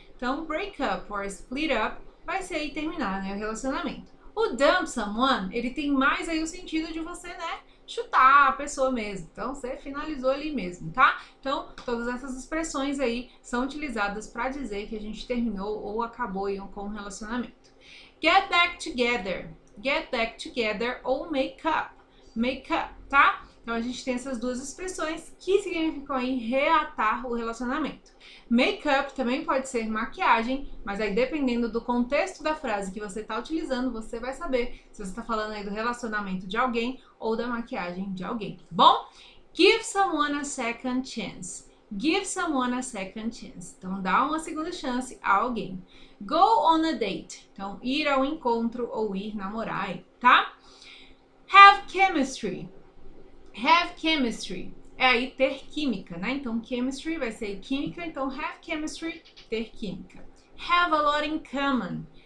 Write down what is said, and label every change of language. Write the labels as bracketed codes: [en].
[pt] Então, break up or split up vai ser aí terminar, né, o relacionamento. O dump someone, ele tem mais aí o sentido de você, né, chutar a pessoa mesmo. Então, você finalizou ali mesmo, tá? Então, todas essas expressões aí são utilizadas para dizer que a gente terminou ou acabou aí com o relacionamento. [en] Get back together. Get back together ou make up. Make up, tá? [pt] Então, a gente tem essas duas expressões que significam aí reatar o relacionamento. Make up também pode ser maquiagem, mas aí dependendo do contexto da frase que você está utilizando, você vai saber se você está falando aí do relacionamento de alguém ou da maquiagem de alguém, tá bom? [en] Give someone a second chance. Give someone a second chance. [pt] Então, dá uma segunda chance a alguém. [en] Go on a date. [pt] Então, ir ao encontro ou ir namorar, tá? [en] Have chemistry. Have chemistry. [pt] É aí ter química, né? Então, chemistry vai ser química. Então, [en] have chemistry, [pt] ter química. [en] Have a lot in common.